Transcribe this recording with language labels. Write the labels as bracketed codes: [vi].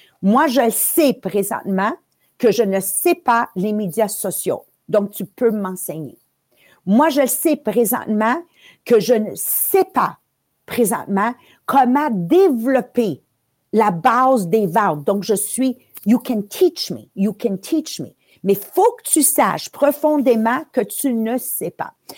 [fr] Moi, je le sais présentement. Que je ne sais pas les médias sociaux. Donc, tu peux m'enseigner. Moi, je sais présentement que je ne sais pas présentement comment développer la base des ventes. Donc, je suis, [en] you can teach me, you can teach me. [fr] Mais il faut que tu saches profondément que tu ne sais pas.